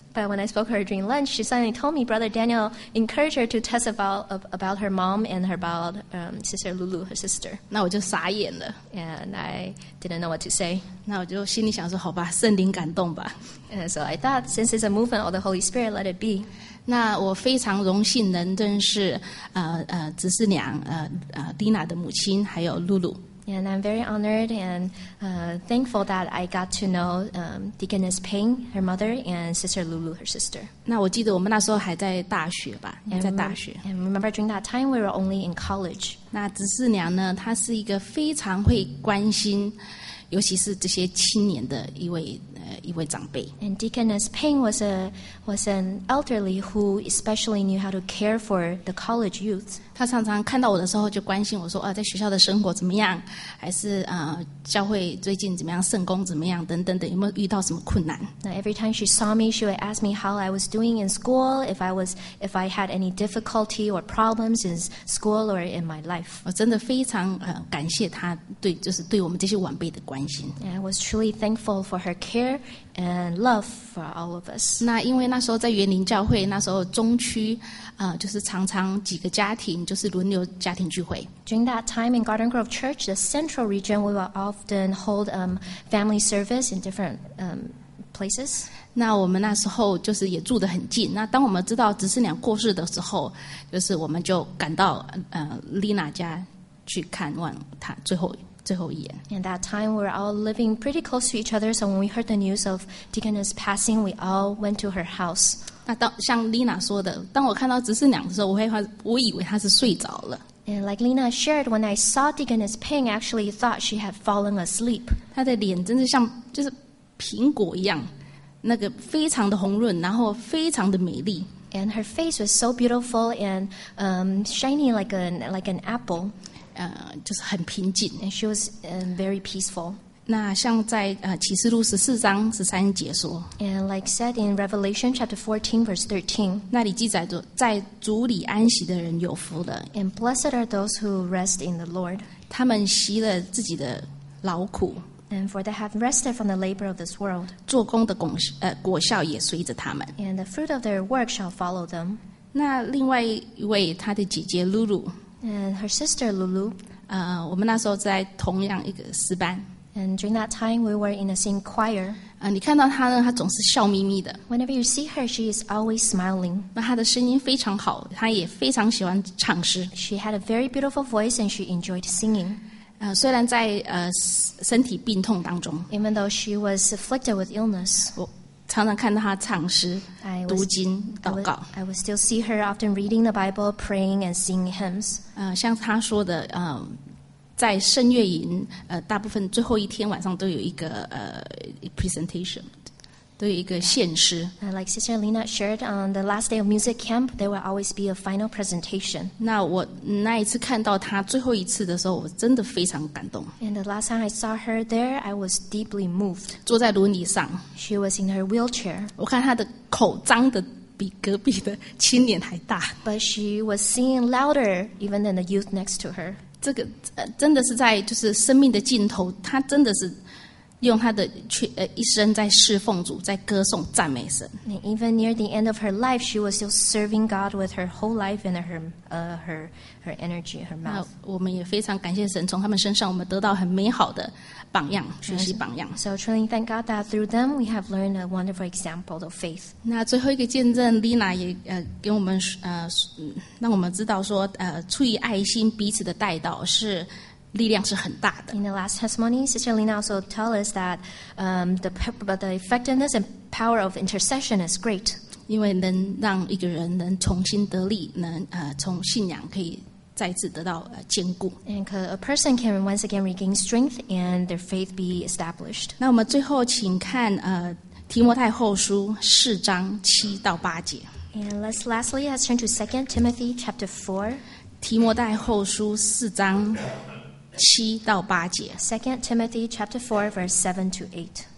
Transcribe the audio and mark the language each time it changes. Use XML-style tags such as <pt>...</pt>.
<en>But when I spoke to her during lunch, she suddenly told me Brother Daniel encouraged her to testify about her mom and about Sister Lulu, her sister.</en> <zh>那我就傻眼了。</zh> <en>And I didn't know what to say.</en> <zh>那我就心里想说，好吧，圣灵感动吧。</zh> <en>And so I thought, since it's a movement of the Holy Spirit, let it be.</en> <zh>那我非常荣幸能认识侄子娘Dina 的母亲还有露露。</zh> <en>And I'm very honored and thankful that I got to know Deaconess Ping, her mother, and Sister Lulu, her sister.</en> <zh>那我记得我们那时候还在大学吧，在大学。</zh> <en>And remember during that time we were only in college.</en> <zh>那侄四娘呢，她是一个非常会关心，尤其是这些青年的一位长辈。</zh> <en>And Deaconess Ping was an elderly who especially knew how to care for the college youth.</en> <zh>她常常看到我的时候就关心我说，在学校的生活怎么样，还是教会最近怎么样，圣工怎么样，等，有没有遇到什么困难。</zh> <en>Now, every time she saw me, she would ask me how I was doing in school, if I had any difficulty or problems in school or in my life.</en> <zh>我真的非常感谢她对，就是对我们这些晚辈的关心。</zh> <en>And I was truly thankful for her care. And love for all of us.</en> <zh>那因为那时候在园林教会，那时候中区，就是常常几个家庭就是轮流家庭聚会。</zh> <en>During that time in Garden Grove Church, the central region, we will often hold family service in different places.</en> <zh>那我们那时候就是也住得很近。那当我们知道执事娘过世的时候，就是我们就赶到Lina 家去看望她最后一眼。</zh> <en>And that time, we were all living pretty close to each other. So when we heard the news of Deaconess passing, we all went to her house.</en> <zh>那当像 Lina 说的，当我看到执事娘的时候，我以为她是睡着了。</zh> <en>And like Lina shared, when I saw Deaconess Ping, actually thought she had fallen asleep.</en> <zh>她的脸真的像就是苹果一样，那个非常的红润，然后非常的美丽。</zh> <en>And her face was so beautiful and shiny like an apple.</en> <zh>就是很平静。</zh> <en>And she was very peaceful.</en> <zh>那像在启示录十四章十三节说。</zh> <en>And like said in Revelation chapter 14 verse 13.</en> <zh>那里记载着，在主里安息的人有福的。</zh> <en>And blessed are those who rest in the Lord.</en> <zh>他们息了自己的劳苦。</zh> <en>And for they have rested from the labor of this world.</en> <zh>做工的果效也随着他们。</zh> <en>And the fruit of their work shall follow them.</en> <zh>那另外一位她的姐姐 Lulu.</zh> <en>And her sister Lulu.</en> <zh>我们那时候在同样一个诗班。</zh> <en>And during that time, we were in the same choir.</en> <zh>你看到她呢，她总是笑眯眯的。</zh> <en>Whenever you see her, she is always smiling.</en> <zh>那她的声音非常好，她也非常喜欢唱诗。</zh> <en>She had a very beautiful voice and she enjoyed singing.</en> <zh>虽然在身体病痛当中</zh> <en>，Even though she was afflicted with illness，</en> <zh>我常常看到她唱诗、读经、祷告。</zh> <en>I would still see her often reading the Bible, praying and singing hymns。</en> <zh>像她说的，在圣乐营，大部分最后一天晚上都有一个presentation， 都有一个献诗。</zh> <en>Like Sister Lina shared on the last day of music camp, there will always be a final presentation.</en> <zh>那我那一次看到她最后一次的时候，我真的非常感动。</zh> <en>And the last time I saw her there, I was deeply moved.</en> <zh>坐在轮椅上。</zh> <en>She was in her wheelchair.</en> <zh>我看她的口张的比隔壁的青年还大。</zh> <en>But she was singing louder even than the youth next to her.</en> <zh>这个真的是在就是生命的尽头，她真的是用她的一生在侍奉主，在歌颂赞美神。</zh> <en>And even near the end of her life, she was still serving God with her whole life and her energy, her mouth.</en> <zh>我们也非常感谢神，从他们身上我们得到很美好的榜样，学习榜样。</zh> <en>So truly thank God that through them we have learned a wonderful example of faith.</en> <zh>那最后一个见证 ，Lina 也给我们让我们知道说出于爱心彼此的带导是。力量是很大的。</zh> <en>In the last testimony, Sister Lina also told us that the effectiveness and power of intercession is great.</en> <zh>因为能让一个人能重新得力，能从信仰可以再次得到坚固。</zh> <en>And a person can once again regain strength and their faith be established.</en> <zh>那我们最后请看提摩太后书四章七到八节。</zh> <en>And let's turn to 2 Timothy chapter 4.</en> <zh>提摩太后书四章。七到八节</zh> <en>2 Timothy chapter 4 verse 7 to 8</en>